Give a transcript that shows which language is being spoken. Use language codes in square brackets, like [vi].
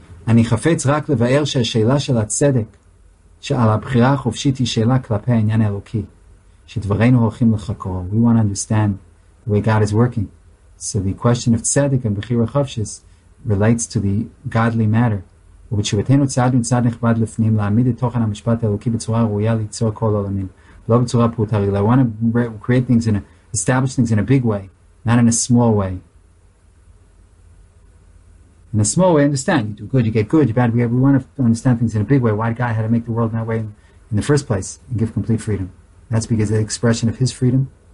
[he] אני חפץ רק לבאר שהשאלה של הצדק, שעל הבחירה החופשית היא שאלה כלפי העניין האלוקי, שדברינו הולכים לחקור. [en] We want to understand the way God is working. So the question of tzedek and בחירה חופשית relates to the godly matter. [he] ובתשובתנו צעד מצד נכבד לפנים, להעמיד את תוכן המשפט האלוקי בצורה ראויה ליצור כל עולמים, לא בצורה פרוטרית. [en] I want to create things in a, establish things in a big way, not in a small way. In a small way, understand, you do good, you get good, you bad, we want to understand things in a big way. Why did God have to make the world that way in the first place and give complete freedom? That's because of the expression of His freedom.